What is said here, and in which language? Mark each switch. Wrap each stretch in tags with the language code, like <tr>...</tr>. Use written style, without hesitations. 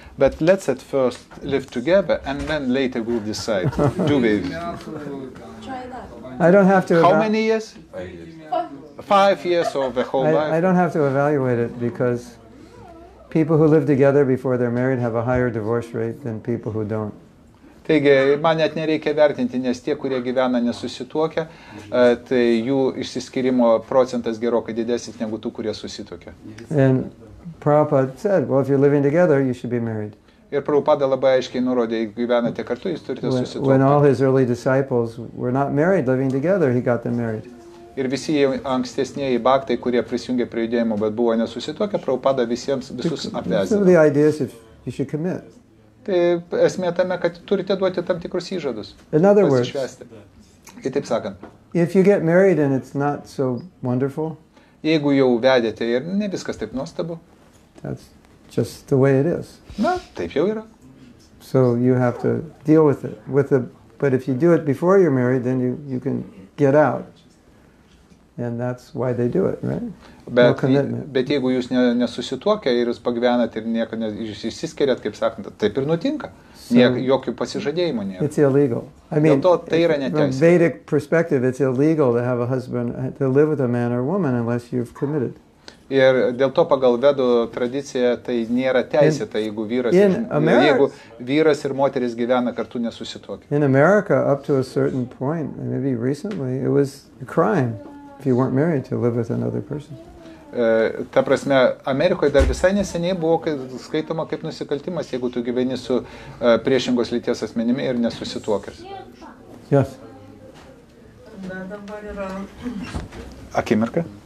<en>But let's at first live together and then later we'll decide. Do we? Try that. I don't have to. How many years? 5 years or the whole life? I don't have to evaluate it because people who live together before they're married have a higher divorce rate than people who don't.</en> <lt>Taigi, man net nereikia vertinti, nes tie, kurie gyvena nesusituokę, tai jų išsiskirimo procentas gerokai didesnis negu tų, kurie susituokė.</lt> <en>And Prabhupada said, well, if you're living together, you should be married.</en> <lt>Ir Prabhupada labai aiškiai nurodė, jeigu gyvenate kartu, jūs turite susituokti.</lt> <en>When all his early disciples were not married, living together, he got them married.</en> <lt>Ir visi ankstesnieji baktai, kurie prisijungė prie judėjimo, bet buvo nesusituokę, Prabhupada visiems visus apvesdino. Tai esmė tame, kad turite duoti tam tikrus įžadus.</lt> <en>In other words,</en> <lt>kitaip sakant,</lt> <en>if you get married and it's not so wonderful,</en> <lt>jeigu jau vedėte ir ne viskas taip nuostabu,</lt> <en>that's just the way it is.</en> <lt>Na, taip jau yra.</lt> <en>So you have to deal with it. But if you do it before you're married, then you can get out. And that's why they do it, right?</en> <lt>Bet jeigu jūs nesusituokia ir jūs pagyvenat ir nieko jūs išsiskiriat, kaip sakant, taip ir nutinka. Jokių pasižadėjimų nėra.</lt> <en>It's illegal. I mean,</en> <lt>tai yra neteisė.</lt> <en>From Vedic perspective, it's illegal to have a husband, to live with a man or woman unless you've committed.</en> <lt>Ir dėl to pagal vedų tradiciją tai nėra teisėta, jeigu vyras ir moteris gyvena kartu nesusituokia.</lt> <en>In America, up to a certain point, maybe recently, it was a crime. If you weren't married to live with another person.</en> <lt>Ta prasme, Amerikoje dar visai neseniai buvo skaitoma kaip nusikaltimas, jeigu tu gyveni su priešingos lyties asmenimi ir nesusituokęs.</lt> <en>Yes.</en> <lt>Dabar yra... Akimirka.</lt>